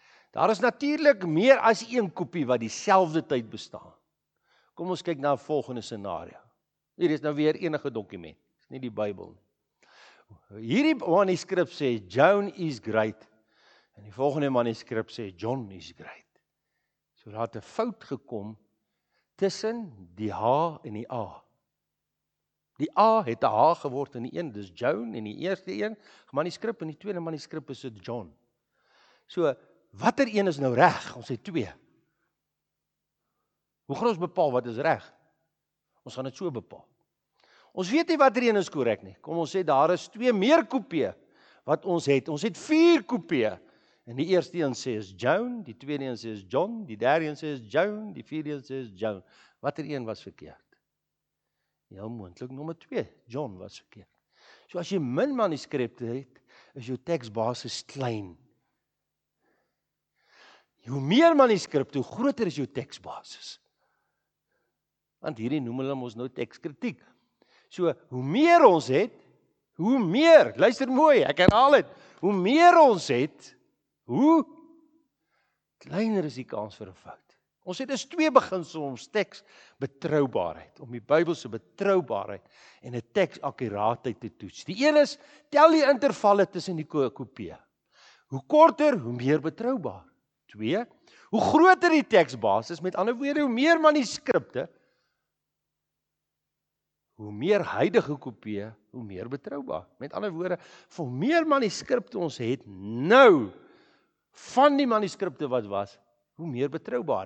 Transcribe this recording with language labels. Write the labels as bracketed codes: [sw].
[af] Daar is natuurlik meer as een kopie wat dieselfde tyd bestaan. Kom ons kyk na 'n volgende scenario. Hier is nou weer enige dokument, nie die Bybel nie. Hierdie manuskrip sê, [en] Joan is great, [af] En die volgende manuskrip sê [en] John is great. [af] So daar het 'n fout gekom tussen die H en die A. Die A het 'n H geword in die een, dis John in die eerste een, manuskrip en die tweede manuskrip is dit John. So watter een is nou reg? Ons het twee. Hoe gaan ons bepaal wat is reg? Ons gaan dit so bepaal. Ons weet nie watter een is korrek nie. Kom ons sê daar is twee meer kopieë wat ons het. Ons het vier kopieë. En die eerste een sê is John, die tweede een sê is John, die derde een sê is John, die vierde een sê is John. Watter een was verkeerd? Jou moontlik nommer 2, John was verkeerd. So as jy min manuskripte het, is jou teksbasis klein. Hoe meer manuskripte, hoe groter is jou teksbasis. Want hierdie noem hulle ons nou tekskritiek. So hoe meer ons het, hoe meer, luister mooi, ek herhaal dit, hoe meer ons het, hoe kleiner is die kans vir 'n fout. Ons het dus twee beginsels om teks betroubaarheid, om die Bybelse betroubaarheid en 'n teks akkuraatheid te toets. Die een is tel die intervalle tussen die kopieë. Hoe korter, hoe meer betroubaar. 2, hoe groter die teksbasis, met ander woorde, hoe meer manuskripte, hoe meer huidige kopieë, hoe meer betroubaar. Met ander woorde, vir meer manuskripte ons het nou van die manuskripte wat was, hoe meer betroubaar.